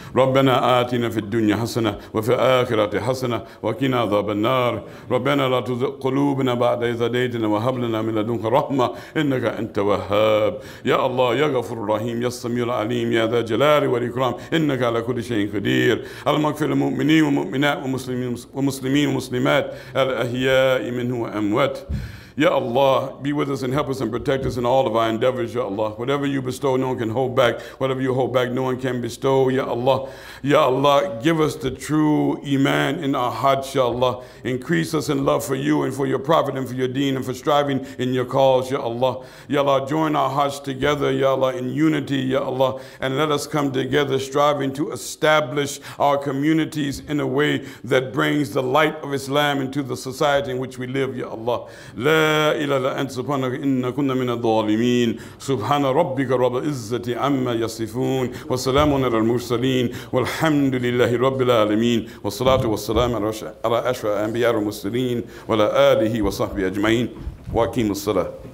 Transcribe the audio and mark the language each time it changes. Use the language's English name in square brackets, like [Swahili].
[Arabic] ربنا آتنا في الدنيا حسنة وفي الآخرة حسنة وقنا عذاب النار ربنا لا تزغ قلوبنا بعد إذ هديتنا وهب لنا من لدنك رحمة إنك أنت الوهاب يا الله يا غفور الرحيم يا السميع العليم يا ذا الجلال والإكرام إنك على كل شيء قدير المغفر للمؤمنين والمؤمنات ومسلمين ومسلمات الأحياء منهم والأموات [English] Ya Allah, be with us and help us and protect us in all of our endeavors, Ya Allah. Whatever you bestow, no one can hold back. Whatever you hold back, no one can bestow, Ya Allah. Ya Allah, give us the true iman in our hearts, Ya Allah. Increase us in love for you and for your prophet and for your deen and for striving in your cause, Ya Allah. Ya Allah, join our hearts together, Ya Allah, in unity, Ya Allah. And let us come together striving to establish our communities in a way that brings the light of Islam into the society in which we live, Ya Allah. [Arabic] لا إله إلا أنت سبحانك إنا كنا من الظالمين سبحان ربك رب العزة عما يصفون وسلام على المرسلين والحمد لله رب العالمين والصلاة والسلام على أشرف الأنبياء والمرسلين وعلى آله وصحبه أجمعين وأقيموا الصلاة